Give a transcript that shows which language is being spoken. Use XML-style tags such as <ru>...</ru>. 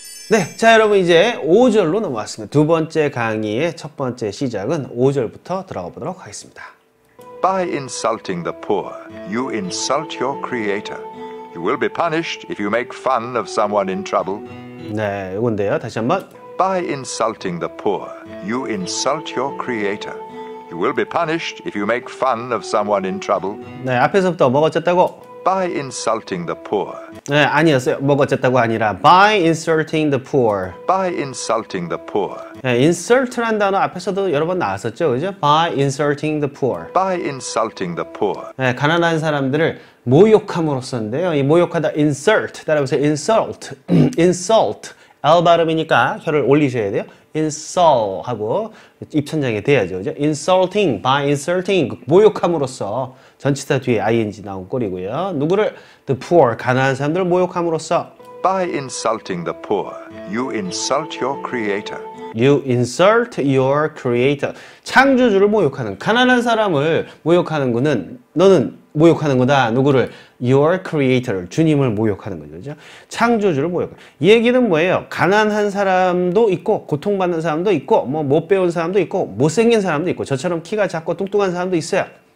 <ko>네, 자, 여러분 이제 5절로 넘어왔습니다. 두 번째 강의의 첫 번째 시작은 5절부터 들어가 보도록 하겠습니다.</ko> <en>By insulting the poor, you insult your creator. You will be punished if you make fun of someone in trouble.</en> <ko>네, 이건데요. 다시 한번.</ko> <en>By insulting the poor, you insult your creator. You will be punished if you make fun of someone in trouble.</en> <ko>네, 앞에서부터 뭐가 어쨌다고?</ko> <en>By insulting the poor.</en> <ko>네, 아니었어요. 뭐가 어쨌다고 아니라</ko> <en>by insulting the poor. By insulting the poor.</en> <ko>네, insult라는 단어 앞에서도 여러 번 나왔었죠, 그죠?</ko> <en>By insulting the poor. By insulting the poor.</en> <ko>네, 가난한 사람들을 모욕함으로써인데요. 이 모욕하다 insult. 따라해보세요.</ko> <en>Insult. insult.</en> <ko>L 발음이니까 혀를 올리셔야 돼요. insult 하고 입천장에 대야죠. 그죠?</ko> <en>insulting, by insulting,</en> <ko>모욕함으로써 전치사 뒤에 ing 나온 꼴이고요. 누구를?</ko> <en>the poor,</en> <ko>가난한 사람들을 모욕함으로써</ko> <en>by insulting the poor, you insult your creator. You insult your creator.</en> <ko>창조주를 모욕하는, 가난한 사람을 모욕하는 거는 너는 모욕하는 거다. 누구를?</ko> <en>Your creator,</en> <ko>주님을 모욕하는 거죠. 그렇죠? 창조주를 모욕하는. 이 얘기는 뭐예요? 가난한 사람도 있고, 고통받는 사람도 있고, 뭐 못 배운 사람도 있고, 못생긴 사람도 있고, 저처럼 키가 작고 뚱뚱한 사람도 있어요.</ko>